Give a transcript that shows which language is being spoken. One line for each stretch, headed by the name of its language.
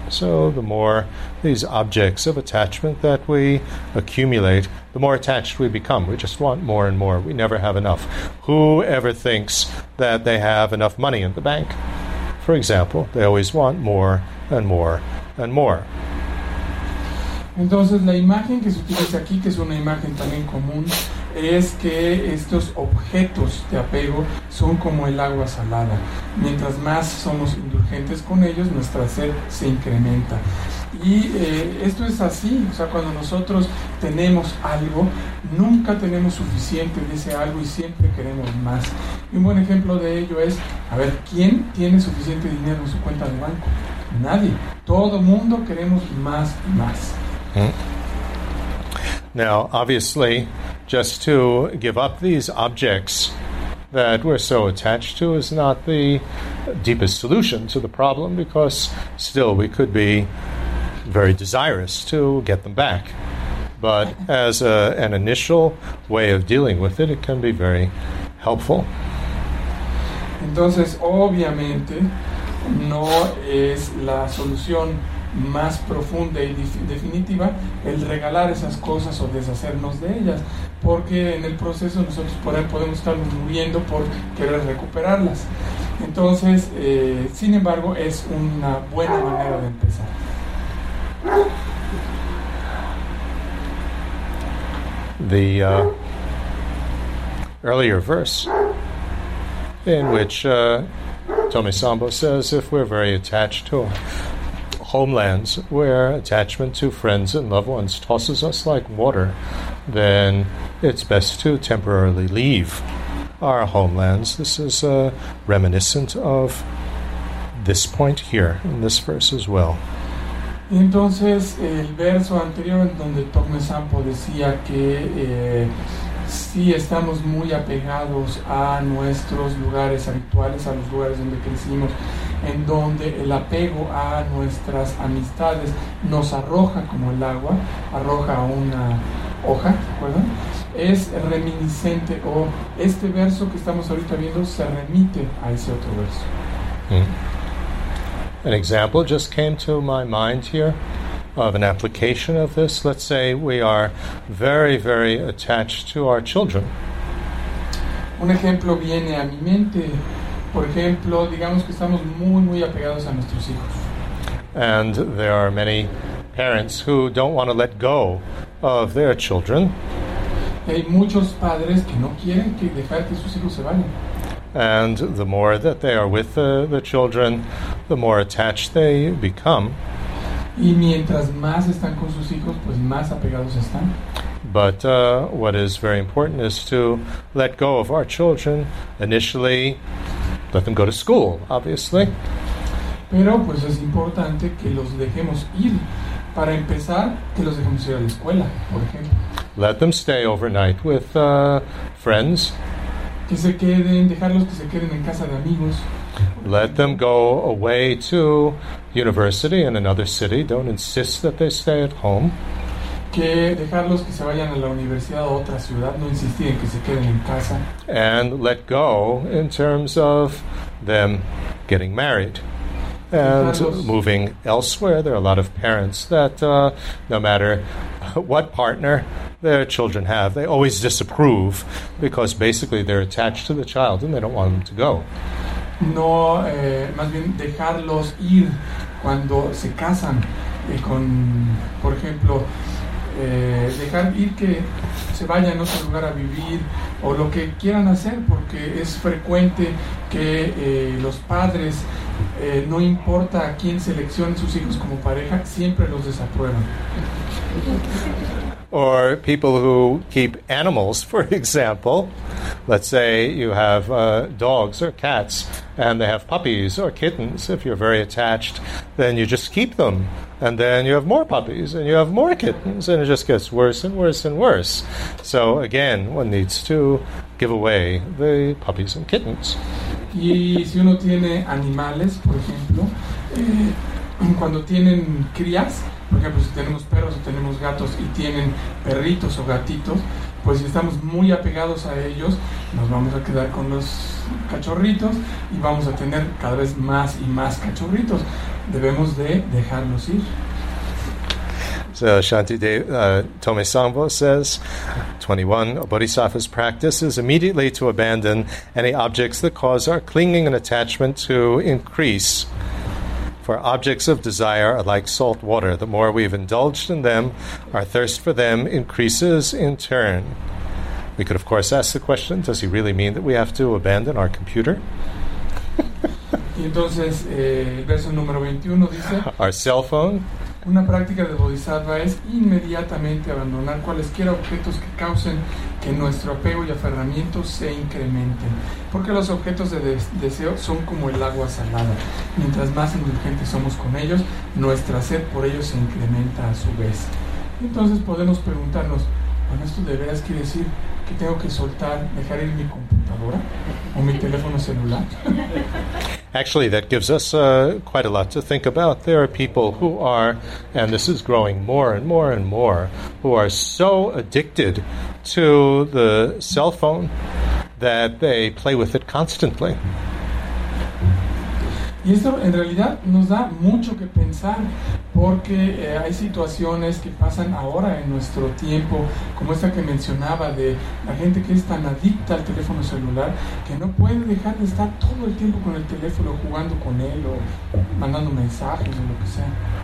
English: So the more these objects of attachment that we accumulate, the more attached we become. We just want more and more. We never have enough. Who ever thinks that they have enough money in the bank? For example, they always want more and more and more.
Spanish: Entonces, la imagen que se utiliza aquí, que es una imagen también común, es que estos objetos de apego son como el agua salada. Mientras más somos indulgentes con ellos, nuestra sed se incrementa. Y esto es así, o sea, cuando nosotros tenemos algo, nunca tenemos suficiente de ese algo y siempre queremos más. Y un buen ejemplo de ello es, a ver, ¿quién tiene suficiente dinero en su cuenta de banco? Nadie. Todo mundo queremos más y más.
English: Now, obviously, just to give up these objects that we're so attached to is not the deepest solution to the problem, because still we could be very desirous to get them back. But as an initial way of dealing with it, it can be very helpful.
Spanish: Entonces, obviamente, no es la solución más profunda y definitiva el regalar esas cosas o deshacernos de ellas, porque en el proceso nosotros podemos estar muriendo por querer recuperarlas. Entonces, sin embargo, es una buena manera de empezar.
English: The earlier verse in which Tomisambo says, if we're very attached to homelands where attachment to friends and loved ones tosses us like water, then it's best to temporarily leave our homelands. This is reminiscent of this point here in this verse as well.
Spanish: Entonces, el verso anterior en donde Tome Sampo decía que si estamos muy apegados a nuestros lugares habituales, a los lugares donde crecimos, en donde el apego a nuestras amistades nos arroja como el agua, arroja una hoja, ¿recuerdan? Es reminiscente, o este verso que estamos ahorita viendo se remite a ese otro verso.
English: An example just came to my mind here of an application of this. Let's say we are very, very attached to our children.
Spanish: Un ejemplo viene a mi mente. Por ejemplo, digamos que estamos muy, muy apegados a nuestros hijos.
English: And there are many parents who don't want to let go of their children.
Spanish: Y hay muchos padres que no quieren que dejar que sus hijos se vayan.
English: And the more that they are with the children, the more attached they become.
Spanish: Y mientras más están con sus hijos, pues más apegados están.
English: But what is very important is to let go of our children initially, let them go to school, obviously.
Spanish: Pero pues es importante que los dejemos ir. Para empezar, que los dejemos ir a la escuela, por ejemplo.
English: Let them stay overnight with friends.
Spanish: Que se queden, dejarlos que se queden en casa de amigos.
English: Let them go away to university in another city. Don't insist that they stay at home.
Spanish: Que dejarlos que se vayan a la universidad o otra ciudad. No insistir en que se queden en casa.
English: And let go in terms of them getting married and
Spanish: dejarlos
English: moving elsewhere. There are a lot of parents that no matter what partner their children have, they always disapprove, because basically they're attached to the child and they don't want them to go.
Spanish: No, más bien dejarlos ir cuando se casan con, por ejemplo, dejar ir que se vayan a otro lugar a vivir o lo que quieran hacer, porque es frecuente que los padres, no importa a quién seleccionen sus hijos como pareja, siempre los desaprueban.
English: Or people who keep animals, for example. Let's say you have dogs or cats, and they have puppies or kittens. If you're very attached, then you just keep them. And then you have more puppies, and you have more kittens, and it just gets worse and worse and worse. So again, one needs to give away the puppies and kittens.
Spanish: Y si uno tiene animales, por ejemplo, cuando tienen crías, por ejemplo, si tenemos perros o tenemos gatos y tienen perritos o gatitos, pues si estamos muy apegados a ellos, nos vamos a quedar con los cachorritos y vamos a tener cada vez más y más cachorritos. Debemos de dejarlos ir.
English: So Shantideva, Tomisambo says, 21, a bodhisattva's practice is immediately to abandon any objects that cause our clinging and attachment to increase. For objects of desire are like salt water. The more we've indulged in them, our thirst for them increases in turn. We could, of course, ask the question, does he really mean that we have to abandon our computer?
Spanish: Entonces, verso número 21 dice,
English: our cell phone.
Spanish: Una práctica de bodhisattva es inmediatamente abandonar cualesquiera objetos que causen que nuestro apego y aferramiento se incrementen. Porque los objetos de deseo son como el agua salada. Mientras más indulgentes somos con ellos, nuestra sed por ellos se incrementa a su vez. Entonces podemos preguntarnos, con esto de veras quiere decir que tengo que soltar, dejar ir mi computadora o mi teléfono celular.
English: Actually, that gives us quite a lot to think about. There are people who are, and this is growing more and more and more, who are so addicted to the cell phone that they play with it constantly.
Spanish: Y esto en realidad nos da mucho que pensar, porque hay situaciones que pasan ahora en nuestro tiempo, como esta que mencionaba de la gente que es tan adicta al teléfono celular que no puede dejar de estar todo el tiempo con el teléfono, jugando con él o mandando mensajes o lo que sea.